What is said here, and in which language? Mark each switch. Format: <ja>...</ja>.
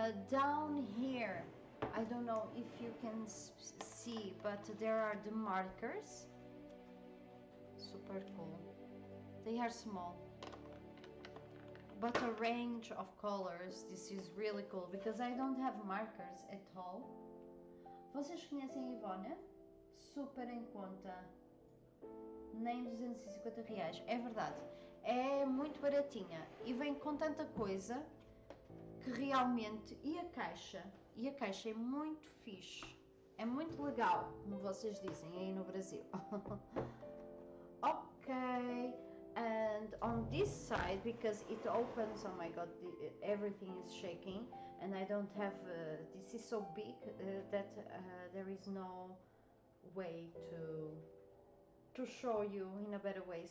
<en>Down here, I don't know if you can see, but there are the markers. Super cool. They are small. But a range of colors. This is really cool because I don't have markers at all.</en> <pt>Vocês conhecem Ivone? Super em conta, nem R$250, é verdade, é muito baratinha e vem com tanta coisa que realmente, e a caixa é muito fixe, é muito legal, como vocês dizem aí no Brasil.</pt> <en>Ok, and on this side, because it opens, oh my god, everything is shaking and I don't have, this is so big that there is no way to show you in a better way.</en>